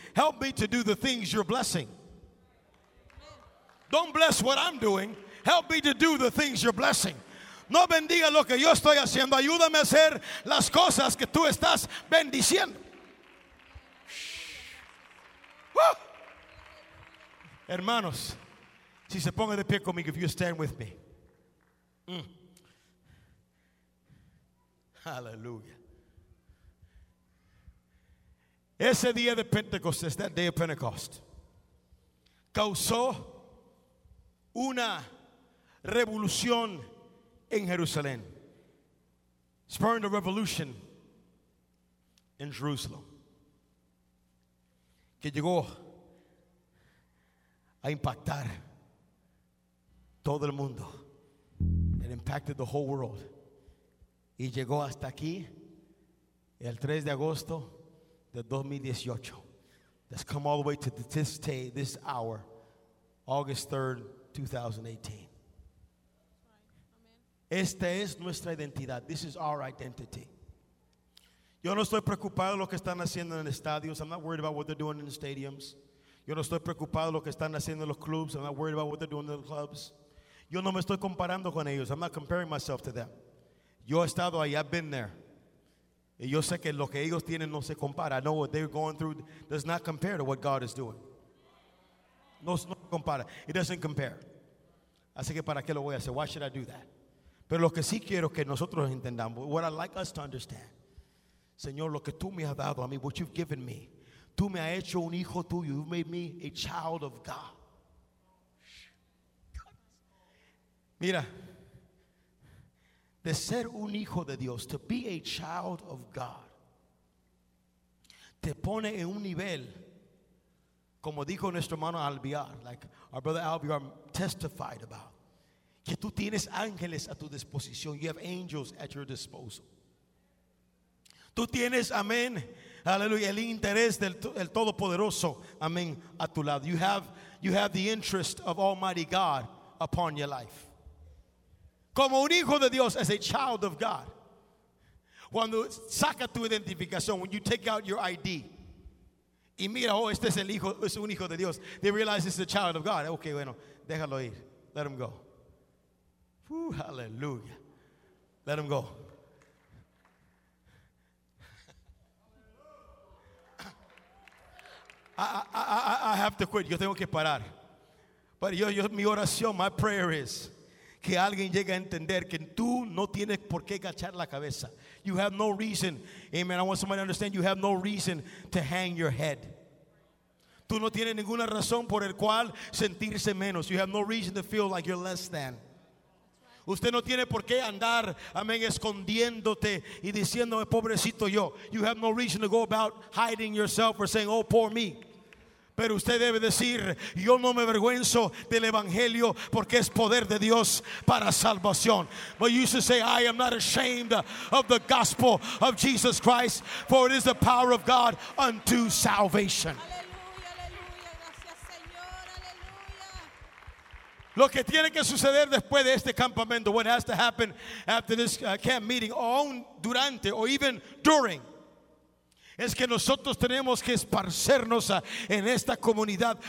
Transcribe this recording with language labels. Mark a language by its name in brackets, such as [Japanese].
[English] Help me to do the things you're blessing. Don't bless what I'm doing, help me to do the things you're blessing. [Spanish] No bendiga lo que yo estoy haciendo. Ayúdame a hacer las cosas que tú estás bendiciendo. Hermanos, si se ponga de pie conmigo, [English] if you stand with me. [Spanish] Aleluya. Ese día de Pentecostés, [English] that day of Pentecost, [Spanish] causó una revolución en Jerusalén. [English] Spurred a revolution in Jerusalem. [Spanish] Que llegó a impactar todo el mundo. [English] It impacted the whole world. [Spanish] Y llegó hasta aquí el 3 de agosto de 2018. [English] That's come all the way to this day, this hour, August 3rd, 2018. [Spanish] Esta es nuestra identidad. [English] This is our identity. [Spanish] Yo no estoy preocupado lo que están haciendo en estadios. [English] I'm not worried about what they're doing in the stadiums. [Spanish] Yo no estoy preocupado lo que están haciendo en los clubs. [English] I'm not worried about what they're doing in the clubs. [Spanish] Yo no me estoy comparando con ellos. [English] I'm not comparing myself to them. [Spanish] Yo he estado ahí. [English] I've been there. [Spanish] Y yo sé que lo que ellos tienen no se compara. [English] I know what they're going through does not compare to what God is doing. [Spanish] No se compara. [English] It doesn't compare. [Spanish] Así que, ¿para qué lo voy a hacer? [English] Why should I do that? [Spanish] Pero lo que sí quiero que nosotros entendamos, [English] what I'd like us to understand, [Spanish] Señor, lo que tú me has dado a mí, [English] what you've given me, [Spanish] tú me has hecho un hijo tuyo. [English] You've made me a child of God. [Spanish] Mira, de ser un hijo de Dios, [English] to be a child of God, [Spanish] te pone en un nivel, como dijo nuestro hermano Alviar, [English] like our brother Alviar testified about, [Spanish] que tú tienes ángeles a tu disposición. [English] You have angels at your disposal. [Spanish] Tú tienes, amén, aleluya, el interés del Todopoderoso, amén, a tu lado. [English] You have the interest of Almighty God upon your life. [Spanish] Como un hijo de Dios, [English] as a child of God. [Spanish] Cuando saca tu identificación, [English] when you take out your ID, [Spanish] y mira, oh, este es el hijo, es un hijo de Dios, [English] they realize it's a child of God. Okay, [Spanish] bueno, déjalo ir. [English] Let him go. Woo, hallelujah. Let him go. I have to quit. [Spanish] Yo tengo que parar. But mi oración, [English] my prayer is, [Spanish] que alguien llegue a entender que tú no tienes por qué agachar la cabeza. [English] You have no reason. Amen. I want somebody to understand, you have no reason to hang your head. [Spanish] Tú no tienes ninguna razón por el cual sentirse menos. [English] You have no reason to feel like you're less than. [Spanish] Usted no tiene por qué andar, amén, escondiéndote y diciéndome, pobrecito yo. [English] You have no reason to go about hiding yourself or saying, oh, poor me. [Spanish] Pero usted debe decir, yo no me avergüenzo del evangelio porque es poder de Dios para salvación. [English] But you should say, I am not ashamed of the gospel of Jesus Christ, for it is the power of God unto salvation. [Spanish] Aleluya, aleluya, gracias Señor, aleluya. Lo que tiene que suceder después de este campamento, [English] what has to happen after this camp meeting, [Spanish] o aún durante, [English] or even during, [Spanish] es que nosotros tenemos que esparcernos en esta comunidad.